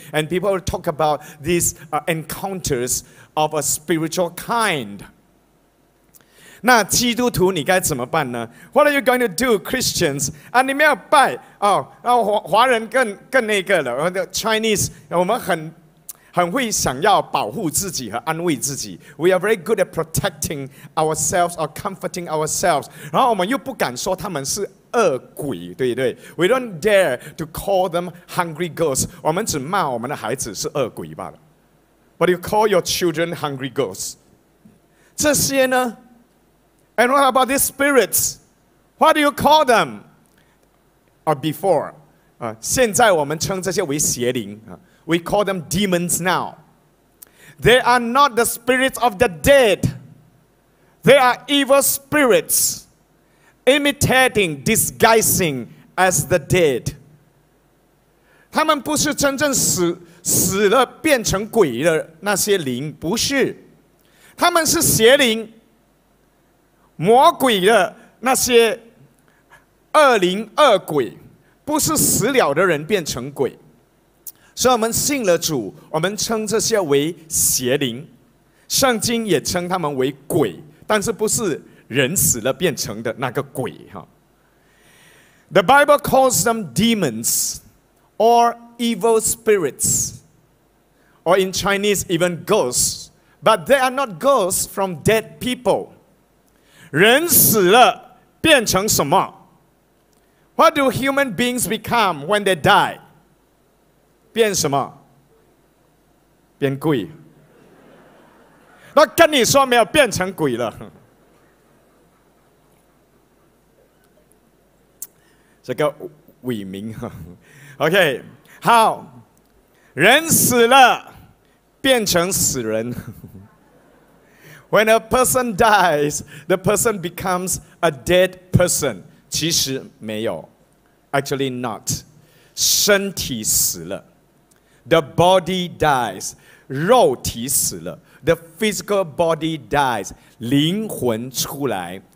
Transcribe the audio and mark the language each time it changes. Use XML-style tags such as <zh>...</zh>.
<en>And people talk about these encounters of a spiritual kind.</en> <zh>那基督徒你该怎么办呢?</zh> <en>What are you going to do, Christians?</en> <zh>啊,你们要拜,哦,华人更那个了,</zh> <en>Chinese,</en> <zh>我们很, 很会想要保护自己和安慰自己。</zh> <en>We are very good at protecting ourselves or comforting ourselves.</en> <zh>然后我们又不敢说他们是恶鬼，对不对？</zh> <en>We don't dare to call them hungry girls.</en> <zh>我们只骂我们的孩子是恶鬼罢了。</zh> <en>But you call your children hungry girls.</en> <zh>这些呢？</zh> <en>And what about these spirits? What do you call them? Or before?</en> <zh>现在我们称这些为邪灵。</zh> <en>We call them demons now. They are not the spirits of the dead. They are evil spirits, imitating, disguising as the dead.</en> <zh>他们不是真正死了变成鬼的那些灵，不是。他们是邪灵，魔鬼的那些恶灵恶鬼，不是死了的人变成鬼。所以我们信了主，我们称这些为邪灵，圣经也称他们为鬼，但是不是人死了变成的那个鬼。</zh> <en>The Bible calls them demons or evil spirits, or in Chinese even ghosts, but they are not ghosts from dead people.</en> <zh>人死了变成什么？</zh> <en>What do human beings become when they die?</en> <zh>变什么？变鬼。那跟你说没有变成鬼了。这个伟明 ，OK， 好，人死了变成死人。</zh> <en>When a person dies, the person becomes a dead person.</en> <zh>其实没有 ，</zh> <en>actually not，</en> <zh>身体死了。</zh> <en>The body dies,</en> <zh>肉体死了。</zh> <en>The physical body dies,</en> <zh>灵魂出来。</zh>